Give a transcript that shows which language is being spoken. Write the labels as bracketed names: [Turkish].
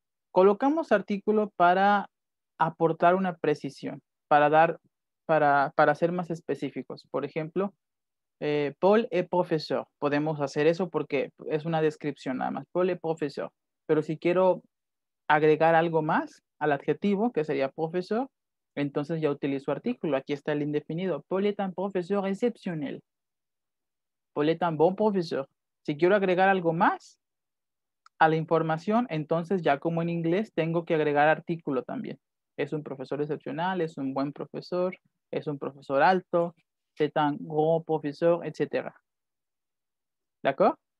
[Spanish] Colocamos artículo para aportar una precisión, para ser más específicos. [French] Por ejemplo, Paul est professeur. [Spanish] Podemos hacer eso porque es una descripción nada más. [French] Paul est professeur. [Spanish] Pero si quiero agregar algo más al adjetivo, que sería professeur, entonces ya utilizo artículo. Aquí está el indefinido. [French] Paul est un professeur exceptionnel. Paul est un bon professeur. [Spanish] Si quiero agregar algo más a la información, entonces ya como en inglés tengo que agregar artículo también. Es un profesor excepcional, es un buen profesor, es un profesor alto, [French] c'est un grand professeur, [Spanish] etc. [French] ¿D'accord?